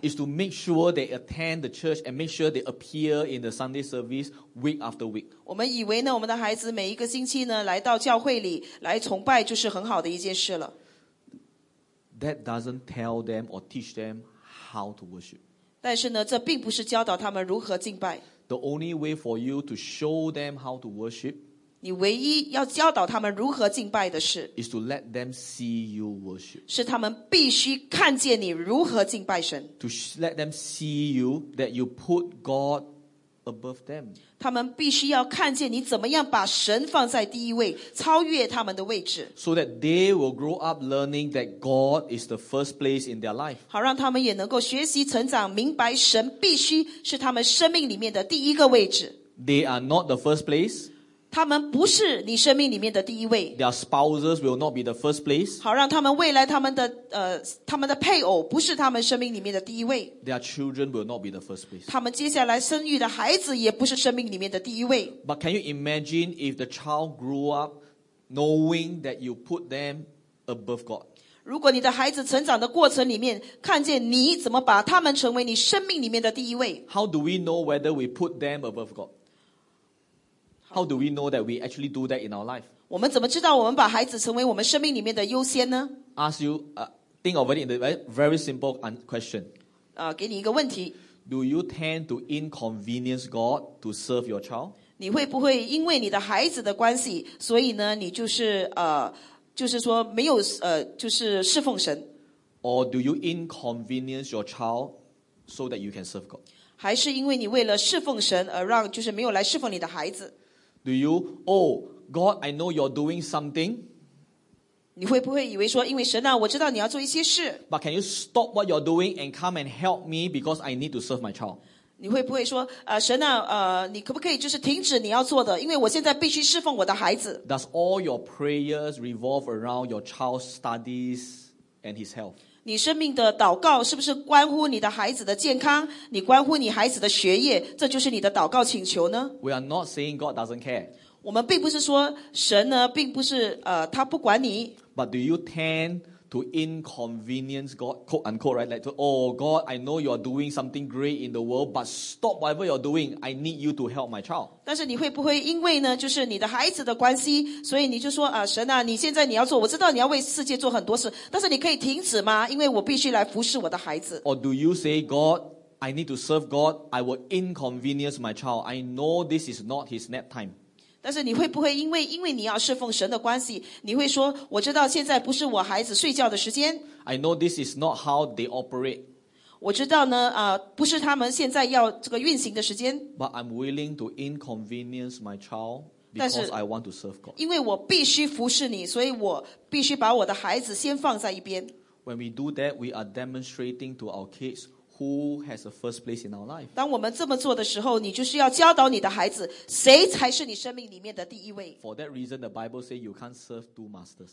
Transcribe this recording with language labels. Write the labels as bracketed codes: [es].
[en] Is to make sure they attend the church and make sure they appear in the Sunday service week after week. [zh] 我们以为呢我们的孩子每一个星期呢来到教会里来崇拜就是很好的一件事了。 [en] That doesn't tell them or teach them how to worship. [zh] 但是呢这并不是教导他们如何敬拜。 [en] The only way for you to show them how to worship, [zh] 你唯一要教导他们如何敬拜的是 [en] is to let them see you worship. [zh] 是他们必须看见你如何敬拜神 [en] to let them see you that you put God above them. [zh] 他们必须要看见你怎么样把神放在第一位超越他们的位置 [en] so that they will grow up learning that God is the first place in their life. [zh] 好让他们也能够学习成长明白神必须是他们生命里面的第一个位置 [en] they are not the first place. [zh] 他们不是你生命里面的第一位。 [en] Their spouses will not be the first place. [zh] 好让他们未来他们的配偶不是他们生命里面的第一位。 [en] Their children will not be the first place. [zh] 他们接下来生育的孩子也不是生命里面的第一位。 [en] But can you imagine if the child grew up knowing that you put them above God? [zh] 如果你的孩子成长的过程里面看见你怎么把他们成为你生命里面的第一位。 [en] How do we know whether we put them above God? How do we know that we actually do that in our life? [zh] 我们怎么知道我们把孩子成为我们生命里面的优先呢? [en] Ask you, think of it in a very simple question. [zh] 给你一个问题。 [en] Do you tend to inconvenience God to serve your child? [zh] 你会不会因为你的孩子的关系,所以呢,你就是说没有,就是侍奉神? [en] Or do you inconvenience your child so that you can serve God? [zh] 还是因为你为了侍奉神而让就是没有来侍奉你的孩子? [en] Do you, oh, God, I know you're doing something. [zh] 你会不会以为说因为神啊我知道你要做一些事。 [en] But can you stop what you're doing and come and help me because I need to serve my child? [zh] 你会不会说神啊你可不可以就是停止你要做的因为我现在必须侍奉我的孩子。 [en] Does all your prayers revolve around your child's studies and his health? [zh] 你生命的祷告是不是关乎你的孩子的健康你关乎你孩子的学业这就是你的祷告请求呢 [en] We are not saying God doesn't care. [zh] 我们并不是说神呢并不是他不管你 [en] But do you tend to inconvenience God, quote unquote, right? Like, oh God, I know you are doing something great in the world, but stop whatever you're doing, I need you to help my child. [zh] 但是你会不会因为呢就是你的孩子的关系所以你就说神啊你现在你要做我知道你要为世界做很多事但是你可以停止吗因为我必须来服侍我的孩子。 [en] Or do you say, God, I need to serve God, I will inconvenience my child, I know this is not his nap time. [zh] 但是你会不会因为你要侍奉神的关系你会说我知道现在不是我孩子睡觉的时间 [en] I know this is not how they operate [zh] 我知道呢不是他们现在要这个运行的时间 [en] But I'm willing to inconvenience my child Because I want to serve God. [zh] 因为我必须服侍你, 所以我必须把我的孩子先放在一边。 [en] When we do that, we are demonstrating to our kids who has the first place in our life. [zh] 当我们这么做的时候, 你就是要教导你的孩子, 谁才是你生命里面的第一位。 [en] For that reason, the Bible says you can't serve two masters.